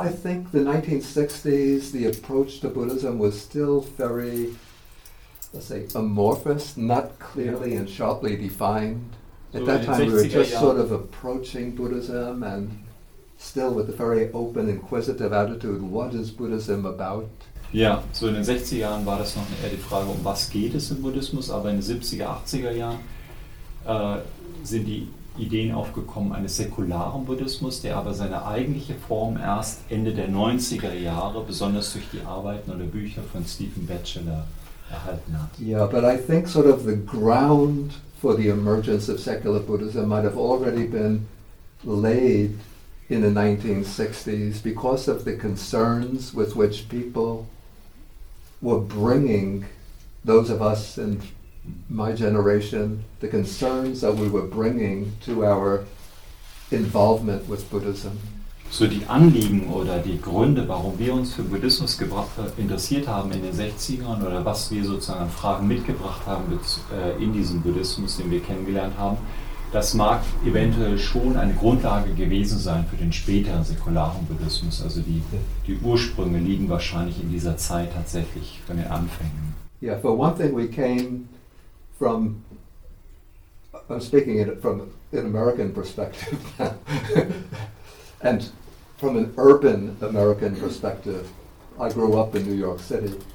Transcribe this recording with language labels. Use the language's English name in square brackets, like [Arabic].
[English] I think the 1960s, the approach to Buddhism was still very, let's say, amorphous, not clearly and sharply defined. At so that time, [German] 60er, [English] we were just yeah. sort of approaching Buddhism and still with a very open, inquisitive attitude, what is Buddhism about? [German] Ja, so in den 60er Jahren war das noch eher die Frage, um was geht es im Buddhismus, aber in den 70er, 80er Jahren sind die Ideen aufgekommen eines säkularen Buddhismus, der aber seine eigentliche Form erst Ende der 90er Jahre, besonders durch die Arbeiten oder Bücher von Stephen Batchelor, erhalten hat. [English] Yeah, but I think sort of the ground for the emergence of secular Buddhism might have already been laid in the 1960s because of the concerns with which people were bringing those of us in my generation, the concerns that we were bringing to our involvement with Buddhism. [German] So die Anliegen oder die Gründe, warum wir uns für Buddhismus interessiert haben in den 60ern oder was wir sozusagen Fragen mitgebracht haben in diesem Buddhismus, den wir kennengelernt haben, das mag eventuell schon eine Grundlage gewesen sein für den späteren säkularen Buddhismus. Also die Ursprünge liegen wahrscheinlich in dieser Zeit tatsächlich von den Anfängen. [English] Yeah, for one thing, we came from, I'm speaking from an American perspective now, and from an urban American perspective. I grew up in New York City.